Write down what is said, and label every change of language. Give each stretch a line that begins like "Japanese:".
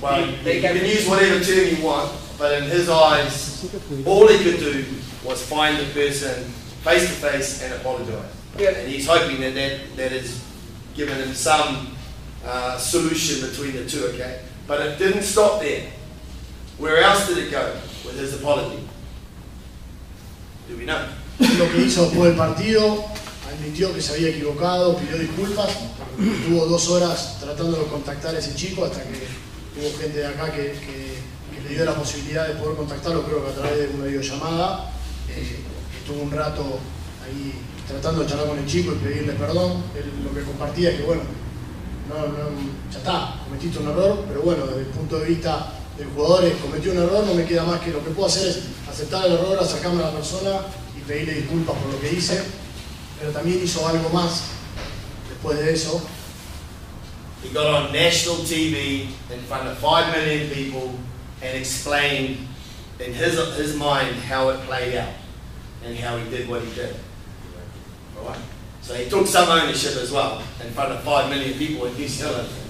English: Well, you can use whatever term you want, but in his eyes, all he could do was find the person face to face and apologize. Yeah. And he's hoping that has given him some solution between the two, okay? But it didn't stop there. Where else did it go with his apology? Do we know?
Spanish: lo que hizo después del partido, admitió que se había equivocado, pidió disculpas, tuvo dos horas tratando de contactar a ese chico hasta que hubo gente de acá que le dio la posibilidad de poder contactarlo, creo que a través de una videollamada. Estuvo un rato ahí tratando de charlar con el chico y pedirle perdón. Él lo que compartía es que bueno, no, ya está, cometiste un error, pero bueno, desde el punto de vista del jugador es, cometí un error, no me queda más que lo que puedo hacer es aceptar el error, acercarme a la persona y pedirle disculpas por lo que hice. Pero también hizo algo más después de eso.
English: He got on national TV in front of 5 million people and explained in his mind how it played out and how he did what he did. Right. So he took some ownership as well in front of 5 million people in New Zealand.